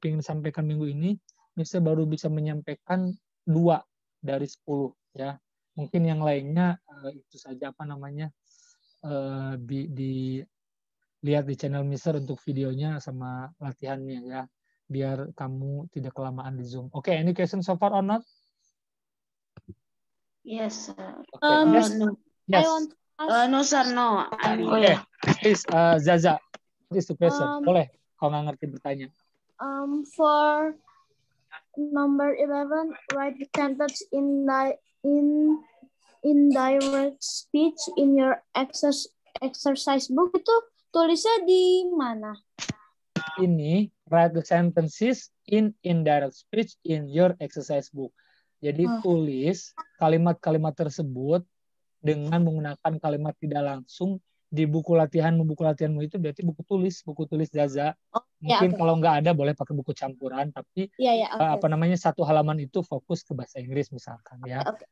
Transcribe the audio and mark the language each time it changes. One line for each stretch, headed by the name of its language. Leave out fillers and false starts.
Indonesian: ingin sampaikan minggu ini, Mister baru bisa menyampaikan 2 dari 10 ya. Mungkin yang lainnya itu saja apa namanya di lihat di channel Mister untuk videonya sama latihannya ya. Biar kamu tidak kelamaan di Zoom.
English: Oke, okay, any question so far or not? Yes. Okay. Yes. No sir, no. Oke. Okay. Please Zaza, please to question.
Indonesian: Boleh kalau nggak ngerti bertanya.
English: For number 11, write the sentence in direct speech in your exercise book.
Indonesian: Itu tulisnya di mana? Ini,
English: write the sentences in indirect speech in your exercise book.
Indonesian: Jadi tulis kalimat-kalimat tersebut dengan menggunakan kalimat tidak langsung di buku latihanmu. Buku latihanmu itu berarti buku tulis Zaza. Mungkin kalau nggak ada boleh pakai buku campuran, tapi satu halaman itu fokus ke bahasa Inggris misalkan ya.